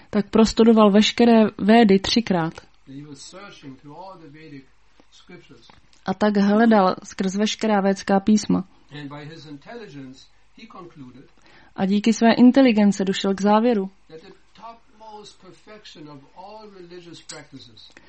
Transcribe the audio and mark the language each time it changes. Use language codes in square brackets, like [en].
[cs] Tak prostudoval veškeré Védy třikrát. [en] He was searching through all the Vedic scriptures. [cs] A tak hledal skrz veškerá védská písma. [en] And by his intelligence he concluded, [cs] a díky své inteligence došel k závěru, [en] that the topmost perfection of all religious practices,